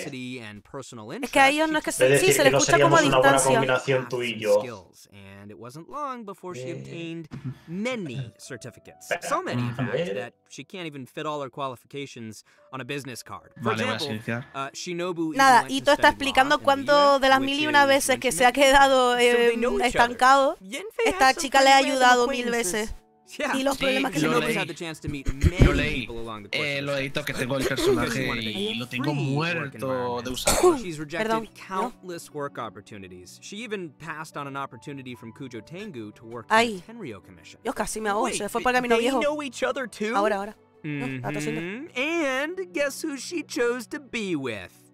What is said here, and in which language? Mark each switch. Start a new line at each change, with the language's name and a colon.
Spanish: Es que a ellos no es que se, sí, se les escucha como a distancia. Una buena combinación tú y yo.
English: And it wasn't long before she obtained many certificates. So many, in fact, that she can't even fit all her qualifications on a business card. For example, Shinobu is
Spanish: nada, Ito está explicando cuánto de las mil y una veces que se ha quedado estancado, esta chica le ha ayudado mil veces. Y los problemas que
English: Shinobu had the chance to meet many people along the course.
Spanish: Lo edito que tengo el personaje y lo tengo muerto de usar.
English: She's rejected countless work opportunities. She even passed on an opportunity from Kujo Tengu to work for the Tenryo Commission.
Spanish: Yo casi me ahogo, se fue para el camino viejo.
English: They know each other too?
Spanish: Ahora.
English: And guess who she chose to be with?